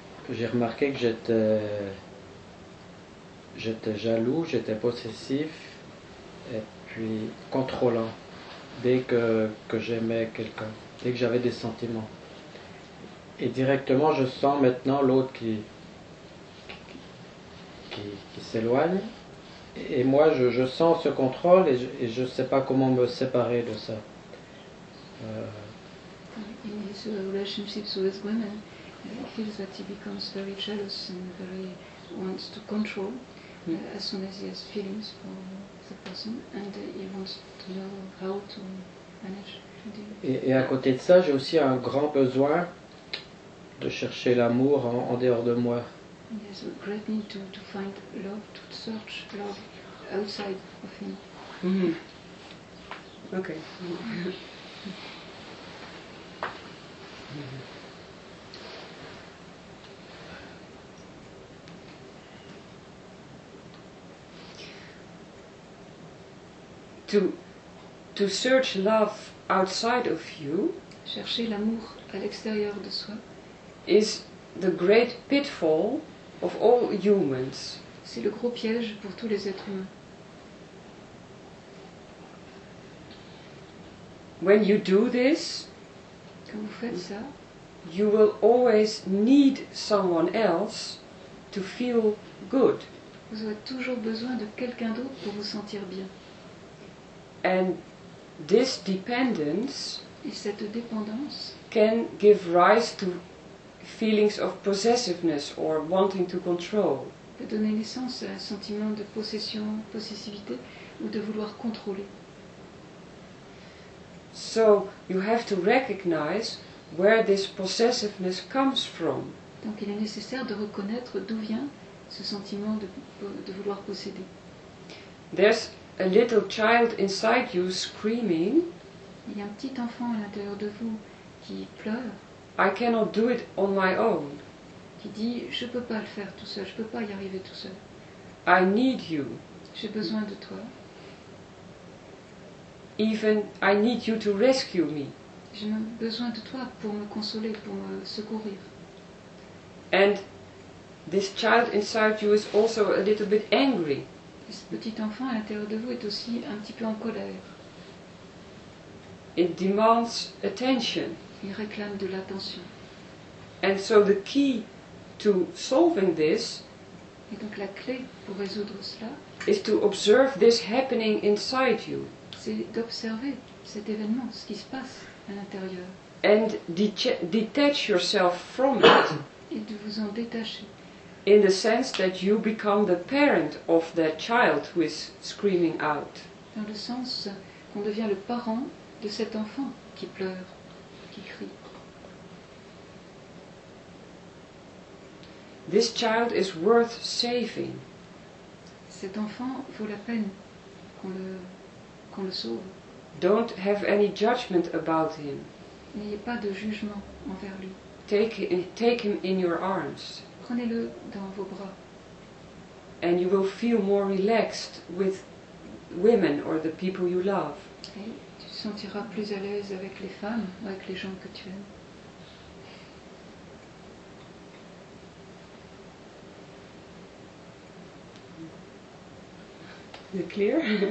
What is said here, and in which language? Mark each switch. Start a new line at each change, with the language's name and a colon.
French: J'ai remarqué que j'étais jaloux, j'étais possessif et puis contrôlant dès que j'aimais quelqu'un, dès que j'avais des sentiments. Et directement, je sens maintenant l'autre qui s'éloigne. Et moi, je sens ce contrôle et je ne sais pas comment me séparer de ça.
English: In his relationships with women, he feels that he becomes very jealous and very wants to control as soon as he has feelings for the person and he wants to know how to manage.
French: Et à côté de ça, j'ai aussi un grand besoin de chercher l'amour en dehors de moi.
English: He has a great need to find love, to search love outside of him. Okay. To search love outside of you,
French: chercher l'amour à l'extérieur de soi,
English: is the great pitfall of all humans.
French: C'est le gros piège pour tous les êtres humains.
English: When you do this,
French: quand vous faites ça,
English: you will always need someone else to feel good.
French: Vous aurez toujours besoin de quelqu'un d'autre pour vous sentir bien.
English: And this dependence,
French: et cette dépendance,
English: can give rise to feelings of possessiveness or wanting to control.
French: Peut donner naissance à un sentiment de possession, possessivité, ou de vouloir contrôler.
English: So you have to recognize where this possessiveness comes from.
French: Donc il est nécessaire de reconnaître d'où vient ce sentiment de vouloir posséder.
English: There's a little child inside you screaming.
French: Il y a un petit enfant à l'intérieur de vous qui pleure.
English: I cannot do it on my own.
French: Qui dit je peux pas le faire tout seul, je peux pas y arriver tout seul.
English: I need you.
French: J'ai besoin de toi.
English: Even I need you to rescue me.
French: J'ai même besoin de toi pour me consoler, pour me secourir.
English: And this child inside you is also a little bit angry.
French: Et ce petit enfant à l'intérieur de vous est aussi un petit peu en colère.
English: It demands attention.
French: Il réclame de l'attention.
English: And so the key to solving this,
French: et donc la clé pour résoudre cela,
English: is to observe this happening inside you.
French: C'est d'observer cet événement, ce qui se passe à l'intérieur.
English: And detach yourself from it.
French: Et de vous en détacher.
English: In the sense that you become the parent of that child who is screaming out.
French: Dans le sens qu'on devient le parent de cet enfant qui pleure, qui crie.
English: This child is worth saving.
French: Cet enfant vaut la peine qu'on le sauve.
English: Don't have any judgment about him.
French: N'ayez pas de jugement envers lui.
English: Take him in your arms.
French: Prenez-le dans vos bras.
English: And you will feel more relaxed with women or the people you love.
French: Et tu te sentiras plus à l'aise avec les femmes ou avec les gens que tu aimes.
English: Is it clear?